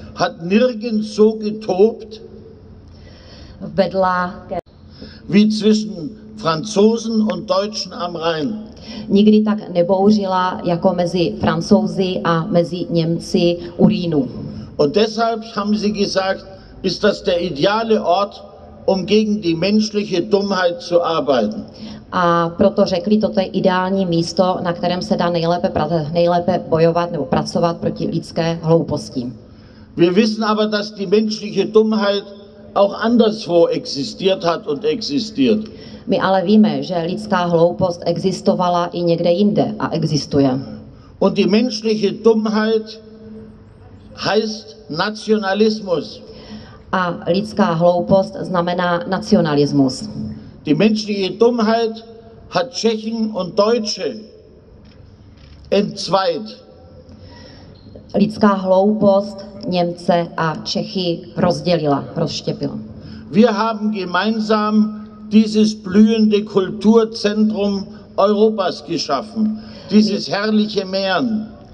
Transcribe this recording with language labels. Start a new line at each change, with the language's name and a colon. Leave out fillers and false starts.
German: hat nirgends so getobt,
Czech: vedla,
German: wie zwischen Franzosen und Deutschen am Rhein.
Czech: Nikdy tak nebouřila, jako mezi Francouzi a mezi Němci u Rýnu.
German: Und deshalb haben sie gesagt, ist das der ideale Ort, um gegen die menschliche Dummheit zu arbeiten.
Czech: A proto řekli, toto je ideální místo, na kterém se dá nejlépe bojovat nebo pracovat proti lidské hlouposti.
German: Wir wissen aber, dass die menschliche Dummheit auch anderswo existiert hat und existiert.
Czech: My ale víme, že lidská hloupost existovala i někde jinde a existuje.
German: Und die menschliche Dummheit heißt Nationalismus.
Czech: A lidská hloupost znamená nacionalismus.
German: Die menschliche Dummheit hat Tschechen und Deutsche entzweit.
Czech: Lidská hloupost Němce a Čechy rozdělila, rozštěpila.
German: Wir haben gemeinsam dieses blühende Kulturzentrum Europas geschaffen, dieses herrliche Mähren.